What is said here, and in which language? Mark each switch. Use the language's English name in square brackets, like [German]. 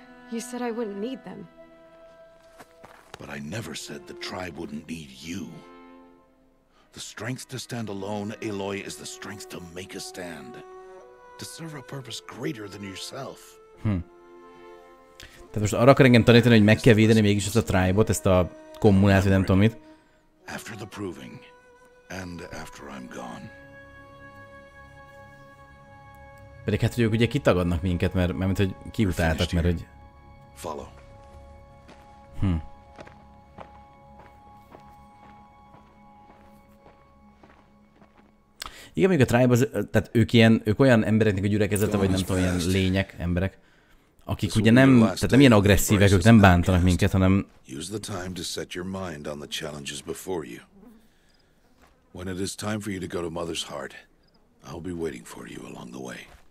[English] You said I wouldn't need them. But I never said the tribe wouldn't need you. The strength to stand alone, Aloy, is the strength to make a stand. To serve a purpose greater than yourself. [Hungarian] Tehát most arra akar engem tanítani, hogy meg kell védeni mégis ezt a tribe-ot, ezt a kommunát, vagy nem tudom mit. [English] After the proving, and after I'm gone. [Hungarian] Pedig hát, hogy ők ugye kitagadnak minket, mert hogy kiutáltak, mert hogy... [English] Follow. [Hungarian] Igen, mondjuk a tribe az, tehát ők olyan embereknek a gyülekezete, vagy nem tudom, ilyen lények, emberek, akik ugye nem, tehát nem ilyen agresszívek, ők nem bántanak minket, hanem... [English] Use the time to set your mind on the challenges before you. When it is time for you to go to Mother's Heart, I'll be waiting for you along the way.